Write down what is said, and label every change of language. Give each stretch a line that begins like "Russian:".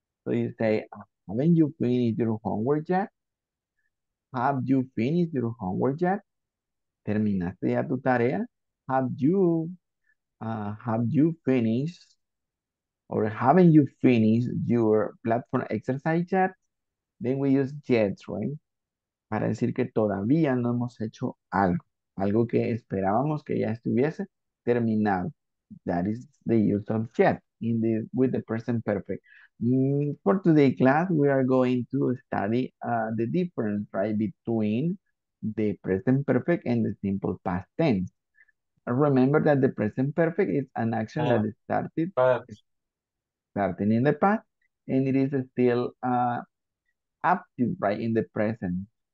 English: So you say, haven't you finished your homework yet? Have you finished your homework yet?
Spanish: Terminaste ya tu tarea?
English: Have you finished or haven't you finished your platform exercise yet? Then we use yet, right?
Spanish: Para decir que todavía no hemos hecho algo, algo que esperábamos que ya estuviese terminado.
English: That is the use of yet in the with the present perfect. For today's class, we are going to study the difference, right, between the present perfect and the simple past tense. Remember that the present perfect is an action that is starting in the past, and it is still active, right, in the present.